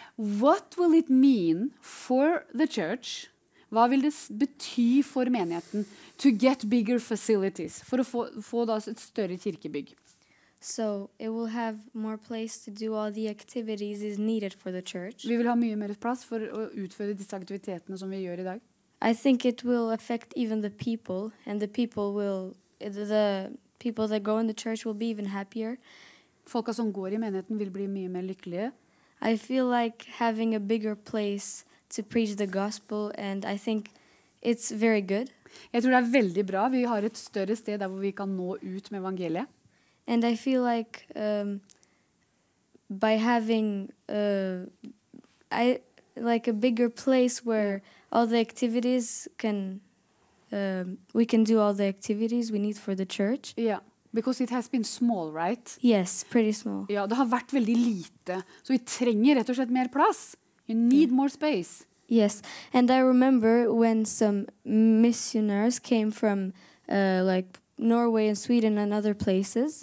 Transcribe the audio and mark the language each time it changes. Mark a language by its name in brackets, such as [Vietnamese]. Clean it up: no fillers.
[English] What will it mean for the church? [Norwegian] Hva vil det bety for menigheten [English] to get bigger facilities, [Norwegian] for å få da et større kirkebygg? [English] So it will have more place to do all the activities is needed for the church. [Norwegian] Vi vil ha mye mer plass for å utføre disse aktivitetene som vi gjør i dag. [English] I think it will affect even the people, and the people will the people that go in the church will be even happier. [Norwegian] Folka som går i menigheten vil bli mye mer lykkelige. [English] I feel like having a bigger place to preach the gospel, and I think it's very good. [Norwegian] Jeg tror det er veldig bra. Vi har et større sted der hvor vi kan nå ut med evangeliet. [English] And I feel like by having a bigger place where all the activities can we can do all the activities we need for the church. Yeah. Because it has been small, right? Yes, pretty small. [Norwegian] Ja, det har vært veldig lite. Så vi trenger rett og slett mer plass. [English] You need more space. Yes, and I remember when some missionaries came from Norway and Sweden and other places.